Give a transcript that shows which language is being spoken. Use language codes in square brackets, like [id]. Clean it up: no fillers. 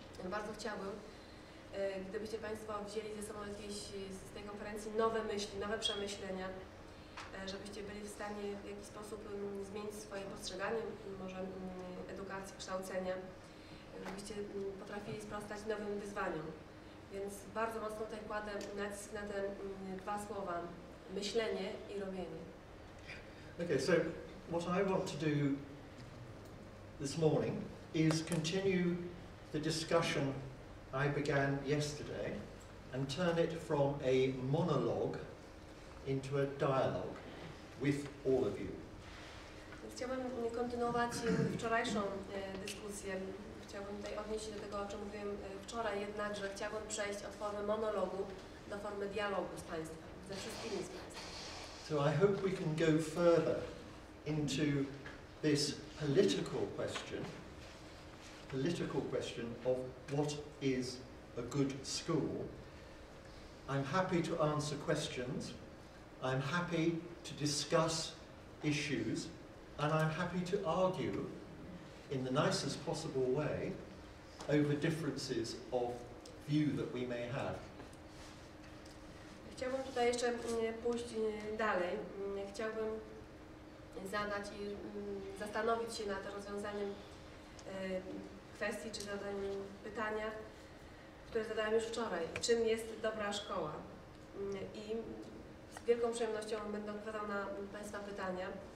[pl] Bardzo chciałabym, gdybyście Państwo wzięli ze sobą jakieś z tej konferencji nowe myśli, nowe przemyślenia, żebyście byli w stanie w jakiś sposób zmienić swoje postrzeganie, może edukacji, kształcenia, żebyście potrafili sprostać nowym wyzwaniom. Więc bardzo mocno tutaj kładę nacisk na te dwa słowa, myślenie i robienie. [en] Okay, so what I want to do this morning is continue the discussion I began yesterday and turn it from a monologue into a dialogue with all of you. [pl] Chciałbym kontynuować wczorajszą dyskusję. Chciałbym tutaj odnieść się do tego, o czym mówiłem wczoraj, jednak, że chciałbym przejść od formy monologu do formy dialogu z Państwem, ze wszystkimi z Państwa. [en] So I hope we can go further into this political question of what is a good school. I'm happy to answer questions. I'm happy to discuss issues, and I'm happy to argue in the nicest possible way over differences of view that we may have. [pl] Chciałbym tutaj jeszcze pójść dalej. Chciałbym zadać i zastanowić się nad rozwiązaniem kwestii, czy zadaniem pytania, które zadałem już wczoraj. Czym jest dobra szkoła? I z wielką przyjemnością będę odpowiadał na Państwa pytania.